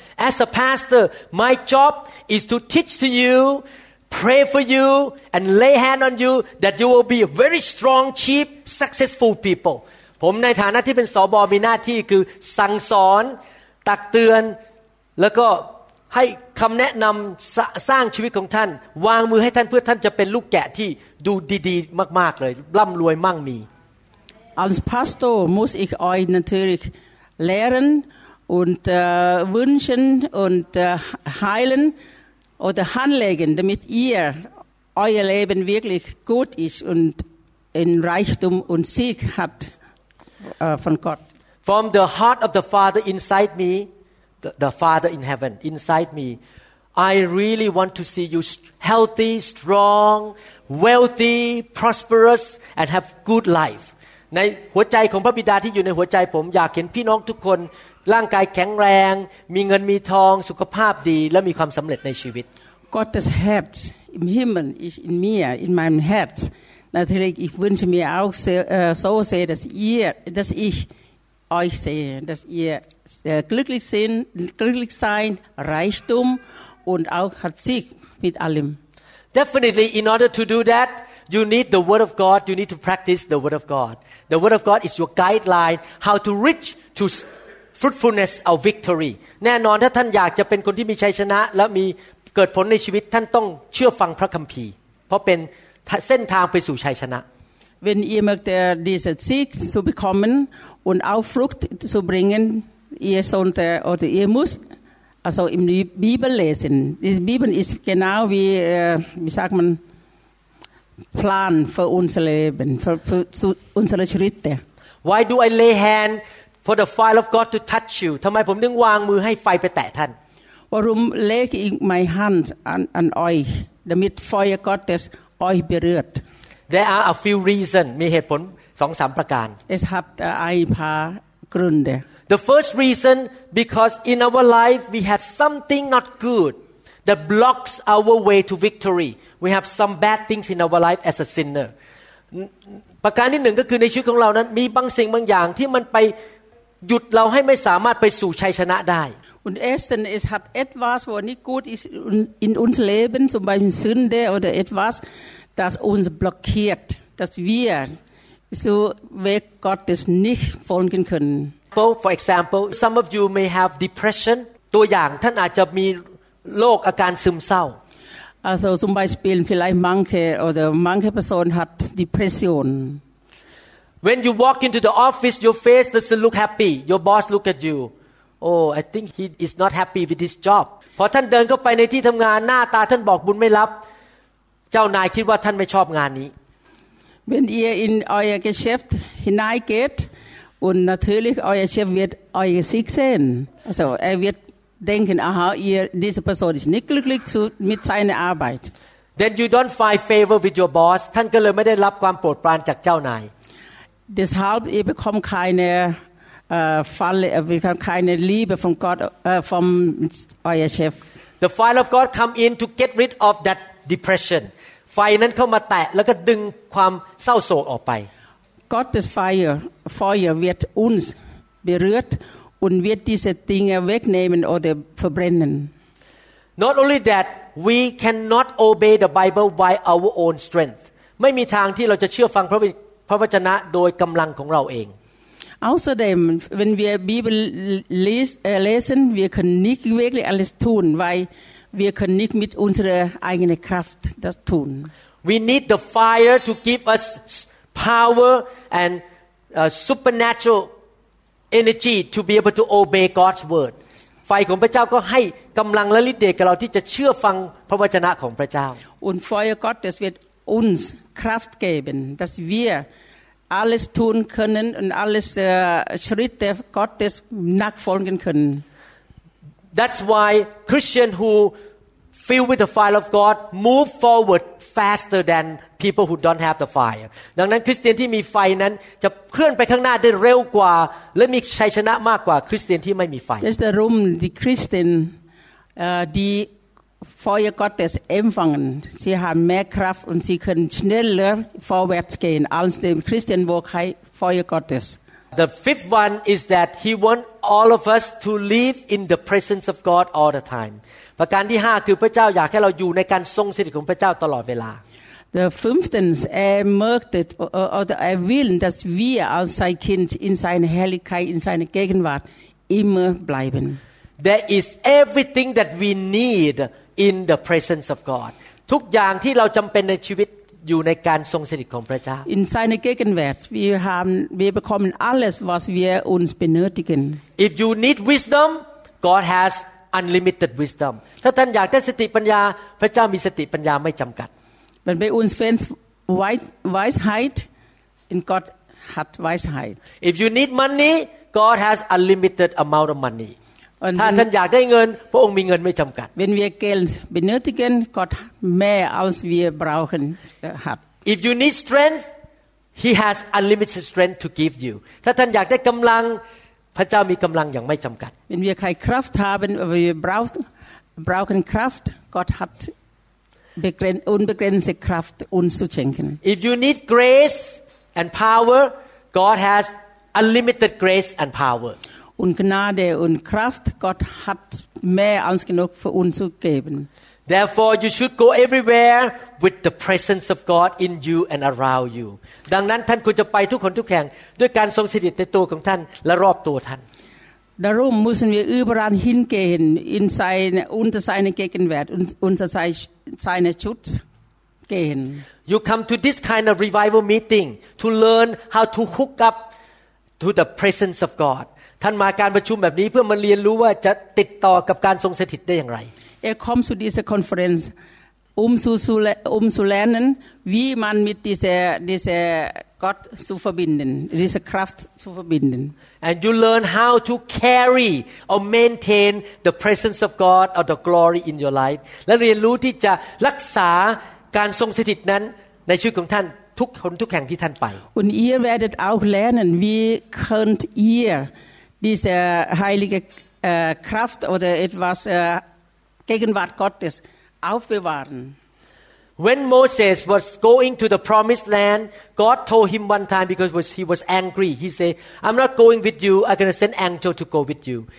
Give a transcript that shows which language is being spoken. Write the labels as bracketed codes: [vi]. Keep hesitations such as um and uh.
[en] As a pastor, my job is to teach to you, pray for you, and lay hand on you that you will be a very strong, cheap, successful people. [th] ผมในฐานะที่เป็นสอบอมีหน้าที่คือสั่งสอน ตักเตือน แล้วก็ให้คำแนะนำสรสร้างชีวิตของท่าน วางมือให้ท่านเพื่อท่านจะเป็นลูกแกะที่ดูดีๆ มากๆเลย ร่ำรวยมั่งมี [de] Als Pastor muss ich euch natürlich lehren und äh, wünschen und äh, heilen oder anlegen, damit ihr euer Leben wirklich gut ist und in Reichtum und Sieg habt äh, von Gott. [en] From the heart of the Father inside me, the, the Father in heaven inside me, I really want to see you st- healthy, strong, wealthy, prosperous, and have good life. [th] ในหัวใจของพระบิดาที่อยู่ในหัวใจผมอยากเห็นพี่น้องทุกคน ร่างกายแข็งแรง มีเงินมีทองสุขภาพดี และมีความสำเร็จในชีวิต [de] Gottes Herz im Himmel ist in mir, in meinem Herz. Natürlich, ich wünsche mir auch sehr, äh, so sehr, dass ihr, dass ich euch sehe, dass ihr äh, glücklich sind, glücklich sein, Reichtum und auch hat Sieg mit allem. [en] Definitely, in order to do that, you need the Word of God. You need to practice the Word of God. The Word of God is your guideline how to reach to s- fruitfulness or victory. [th] แน่นอนถ้าท่านอยากจะเป็นคนที่มีชัยชนะ และมีเกิดผลในชีวิตท่านต้องเชื่อฟังพระคัมภีร์ เพราะเป็นเส้นทางไปสู่ชัยชนะ [de] Wenn ihr mögt, äh, diesen Sieg zu bekommen und auch Frucht zu bringen, ihr sollt äh, oder ihr müsst also in die Bibel lesen. Die Bibel ist genau wie, äh, wie sagt man, Plan für unser Leben, für, für zu, unsere Schritte. [en] Why do I lay hand for the fire of God to touch you [th] ทำไมผมถึงวางมือให้ไฟไปแตะท่าน [de] Warum lege ich meine Hand an, an euch, damit Feuer Gottes euch berührt? [en] there are a few reasons [th] มีเหตุผลสองสามประการ [de] Es hat äh, ein paar Gründe. [en] The first reason, because in our life we have something not good that blocks our way to victory. We have some bad things in our life as a sinner. [th] ประการที่หนึ่งก็คือในชีวิตของเรานั้น มีบางสิ่งบางอย่างที่มันไปหยุดเราให้ไม่สามารถไปสู่ชัยชนะได้ [de] Und erstens, es hat etwas, was nicht gut ist in in uns Leben, zum Beispiel Sünde oder etwas, das uns blockiert, dass wir so Weg Gottes nicht folgen können. [en] example for example some of you may have depression [th] ตัวอย่างท่านอาจจะมีโรคอาการซึมเศร้า [de] Also zum Beispiel vielleicht manche oder manche Person hat Depression. [en] When you walk into the office, your face doesn't look happy. Your boss look at you. Oh, I think he is not happy with his job. [th] พอท่านเดินเข้าไปในที่ทำงานหน้าตาท่านบอกบุญไม่รับ เจ้านายคิดว่าท่านไม่ชอบงานนี้ [de] Wenn ihr in euer Geschäft hineingeht und natürlich euer Chef wird euer Sieg sehen. Also er wird denken, aha, ihr, diese Person ist nicht glücklich zu, mit seiner Arbeit. [en] Then you don't find favor with your boss. [th] ท่านก็เลยไม่ได้รับความโปรดปรานจากเจ้านาย [de] Deshalb ihr bekommt keine äh, Falle, äh, wir haben keine Liebe von Gott, äh, vom euer Chef. [en] The fire of God come in to get rid of that depression. [th] ไฟนั้นเข้ามาแตะแล้วก็ดึงความเศร้าโศกออกไป [de] Gottes Feuer, Feuer wird uns berührt und wird diese Dinge wegnehmen oder verbrennen. [en] Not only that, we cannot obey the Bible by our own strength. [th] ไม่มีทางที่เราจะเชื่อฟังพระวิพระวจนะโดยกำลังของเราเอง [de] Außerdem, wenn wir Bibel les, äh, lesen, wir können nicht wirklich alles tun, weil wir können nicht mit unserer eigenen Kraft das tun. [en] We need the fire to give us power and uh, supernatural energy to be able to obey God's word. [th] ไฟของพระเจ้าก็ให้กำลังและฤทธิ์เดชกับเราที่จะเชื่อฟังพระวจนะของพระเจ้า [de] Und Feuer Gottes wird uns Kraft geben, dass wir alles tun können und alles äh, Schritte Gottes nachfolgen können. [en] That's why Christians who filled with the fire [th] of God move forward faster than people who don't have the fire ดังนั้นคริสเตียนที่มีไฟนั้นจะเคลื่อนไปข้างหน้าได้เร็วกว่า และมีชัยชนะมากกว่าคริสเตียนที่ไม่มีไฟ [de] Das ist darum, die Christen, äh, die Feuer Gottes empfangen, sie haben mehr Kraft und sie können schneller vorwärts gehen als dem Christen, wo kein Feuer Gottes. [en] The fifth one is that he wants all of us to live in the presence of God all the time [th] ประการที่ 5 คือพระเจ้าอยากให้เราอยู่ในการทรงสถิตของพระเจ้าตลอดเวลา [de] Der fünftens, er möchte äh, oder er will, dass wir als sein Kind in seiner Herrlichkeit, in seiner Gegenwart immer bleiben. [en] there is everything that we need in the presence of God [th] ทุกอย่างที่เราจำเป็นในชีวิตอยู่ในการทรงสถิตของพระเจ้า [de] In seiner Gegenwart, wir haben, wir bekommen alles, was wir uns benötigen. [en] if you need wisdom God has unlimited wisdom [th] ถ้าท่านอยากได้สติปัญญา พระเจ้ามีสติปัญญาไม่จำกัด [de] Wenn bei uns fehlt Wei- Weisheit, in Gott hat Weisheit. [en] if you need money God has unlimited amount of money [th] อันนี้ ถ้าท่านอยากได้เงิน พระองค์มีเงินไม่จำกัด [de] Wenn wir Geld benötigen, Gott mehr als wir brauchen äh, hat. [en] if you need strength He has unlimited strength to give you [th] ถ้าท่านอยากได้กำลัง พระเจ้ามีกำลังอย่างไม่จำกัด [de] Wenn wir keine Kraft haben, aber wir brauchen, brauchen Kraft, Gott hat begren- unbegrenzte Kraft uns zu schenken. [en] If you need grace and power, God has unlimited grace and power. [de] Und Gnade und Kraft, Gott hat mehr als genug für uns zu geben. [en] Therefore, you should go everywhere with the presence of God in you and around you. [th] ดังนั้นท่านควรจะไปทุกคนทุกแห่งด้วยการทรงสถิตในตัวของท่านและรอบตัวท่าน [de] Darum müssen wir überall hingehen, in seine, unter seine Gegenwart, und unter sein, seinen Schutz gehen. [en] You come to this kind of revival meeting to learn how to hook up to the presence of God. [th] ท่านมาการประชุมแบบนี้เพื่อมาเรียนรู้ว่าจะติดต่อกับการทรงสถิตได้อย่างไร [de] Er kommt zu dieser Konferenz, um zu, zu, le- um zu lernen, wie man mit dieser, dieser Gott zu verbinden, dieser Kraft zu verbinden. [en] And you learn how to carry or maintain the presence of God or the glory in your life [th] และเรียนรู้ที่จะรักษาการทรงสถิตนั้นในชีวิตของท่าน ทุกคนทุกแห่งที่ท่านไป [de] Und ihr werdet auch lernen, wie könnt ihr diese heilige äh, Kraft oder etwas äh, Gegenwart Gottes aufbewahren. [en] When Moses was going to the promised land, God told him one time because was, he was angry. He said, I'm not going with you. I'm going to send angel to go with you.